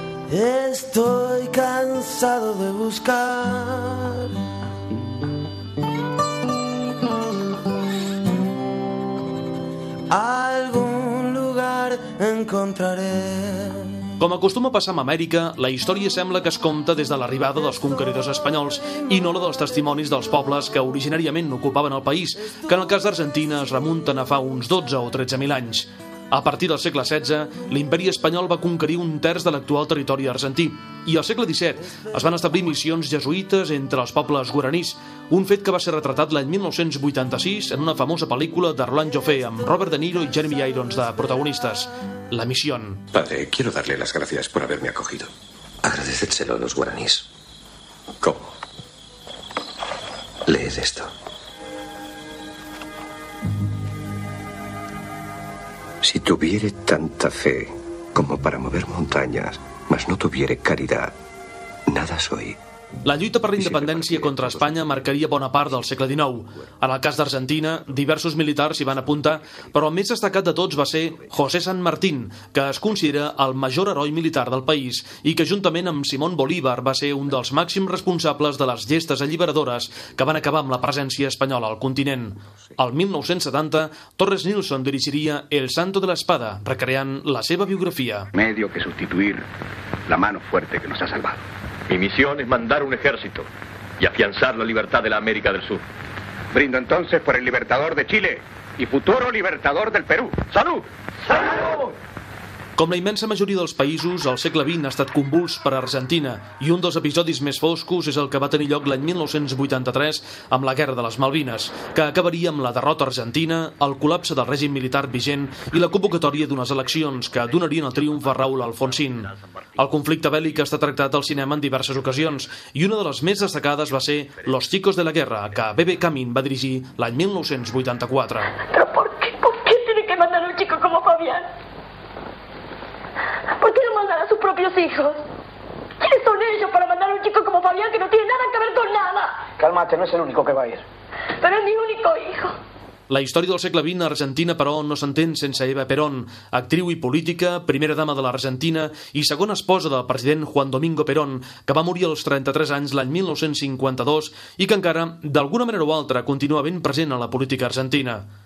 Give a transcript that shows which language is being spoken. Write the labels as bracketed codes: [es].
[es] Estoy cansado de buscar algún lugar encontraré. [ca] Com acostuma a passar amb Amèrica, la història sembla que es compta des de l'arribada dels conqueridors espanyols i no la dels testimonis dels pobles que originàriament ocupaven el país, que en el cas d'Argentina es remunten a fa uns 12 o 13 mil anys. A partir del segle XVI, l'imperi espanyol va conquerir un terç de l'actual territori argentí, i al segle XVII es van establir missions jesuïtes entre els pobles guaranís, un fet que va ser retratat l'any 1986 en una famosa pel·lícula de Roland Joffé amb Robert De Niro i Jeremy Irons de protagonistes, La Misión. [es] Padre, quiero darle las gracias por haberme acogido. Agradecédselo a los guaranís. ¿Cómo? Leed esto. Si tuviere tanta fe como para mover montañas, mas no tuviere caridad, nada soy. [ca] La lluita per la independència contra Espanya marcaria bona part del segle XIX. En el cas d'Argentina, diversos militars s'hi van apuntar, però el més destacat de tots va ser José San Martín, que es considera el major heroi militar del país i que, juntament amb Simón Bolívar, va ser un dels màxims responsables de les gestes alliberadores que van acabar amb la presència espanyola al continent. El 1970, Torres Nilsson dirigiria El Santo de la Espada, recreant la seva biografia. [es] Medio que sustituir la mano fuerte que nos ha salvado. Mi misión es mandar un ejército y afianzar la libertad de la América del Sur. Brindo entonces por el libertador de Chile y futuro libertador del Perú. ¡Salud! ¡Salud! [ca] Com la immensa majoria dels països, el segle XX ha estat convuls per a Argentina i un dels episodis més foscos és el que va tenir lloc l'any 1983 amb la Guerra de les Malvines, que acabaria amb la derrota argentina, el col·lapse del règim militar vigent i la convocatòria d'unes eleccions que donarien el triomf a Raúl Alfonsín. El conflicte bèl·lic està tractat al cinema en diverses ocasions i una de les més destacades va ser Los Chicos de la Guerra, que Bebe Camin va dirigir l'any 1984. Però per què? Per què [es] tiene que mandar un chico como Fabián? ¿Por qué no mandan a sus propios hijos? ¿Quiénes son ellos para mandar a un chico como Fabián que no tiene nada que ver con nada? Cálmate, no es el único que va a ir. Pero es mi único hijo. [ca] La història del segle XX a Argentina, però, no s'entén sense Eva Perón, actriu i política, primera dama de l'Argentina i segona esposa del president Juan Domingo Perón, que va morir als 33 anys l'any 1952 i que encara, d'alguna manera o altra, continua ben present a la política argentina.